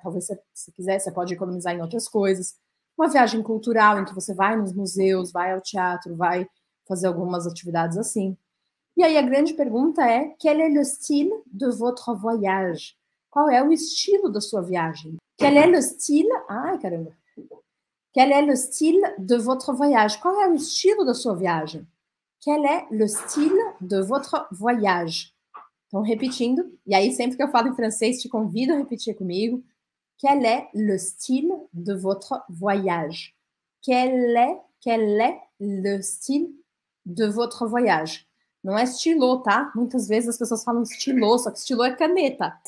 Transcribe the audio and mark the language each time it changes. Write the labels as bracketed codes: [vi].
[pt] Talvez, se quiser, você pode economizar em outras coisas. Uma viagem cultural, em que você vai nos museus, vai ao teatro, vai fazer algumas atividades assim. E aí, a grande pergunta é: [fr] quel est le style de votre voyage? [pt] Qual é o estilo da sua viagem? [fr] Quel est le style? [pt] Ai, caramba. [fr] Quel est le style de votre voyage? [pt] Qual é o estilo da sua viagem? [fr] Quel est le style de votre voyage? [pt] Então, repetindo. E aí, sempre que eu falo em francês, te convido a repetir comigo. [fr] Quel est le style de votre voyage? Quel est le style de votre voyage? [pt] Não é estilo, tá? Muitas vezes as pessoas falam estilo, só que estilo é caneta.